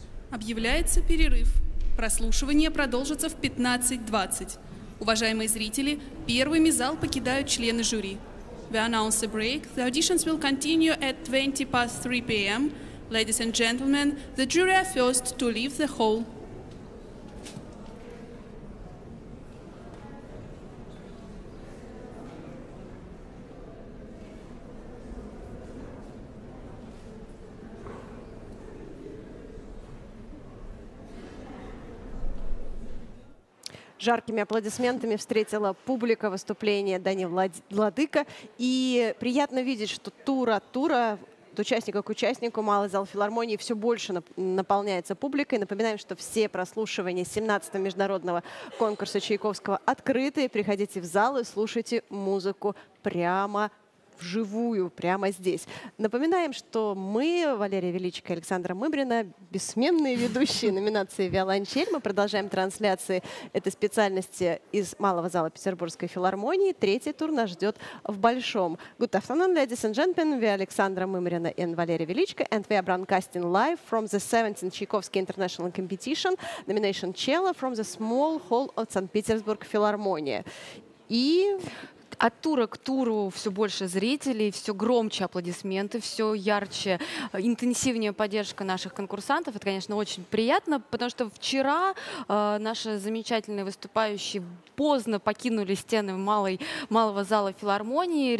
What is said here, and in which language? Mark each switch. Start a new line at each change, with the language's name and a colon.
Russian: объявляется перерыв. Прослушивание продолжится в 15:20. Уважаемые зрители, первыми зал покидают члены жюри.
English: We announce a break. The auditions will continue at 3:20 p.m. Ladies and gentlemen, the jury are first to leave the hall.
Russian: Жаркими аплодисментами встретила публика выступление Дани Владыка. И приятно видеть, что тур от тура, от участника к участнику, Малый зал филармонии все больше наполняется публикой. Напоминаем, что все прослушивания 17-го международного конкурса Чайковского открыты. Приходите в зал и слушайте музыку прямо вживую, прямо здесь. Напоминаем, что мы, Валерия Величко и Александра Мыбрина, бессменные ведущие номинации «Виолончель». Мы продолжаем трансляции этой специальности из Малого зала Петербургской филармонии. Третий тур нас ждет в Большом.
English: Good afternoon, ladies and gentlemen. We are Александра Мыбрина and Валерия Величко. And we are broadcasting live from the 17th Чайковский International Competition nomination cello from the small hall of St. Petersburg Philharmonia.
Russian: И... От тура к туру все больше зрителей, все громче аплодисменты, все ярче, интенсивнее поддержка наших конкурсантов. Это, конечно, очень приятно, потому что вчера наши замечательные выступающие поздно покинули стены малого зала филармонии.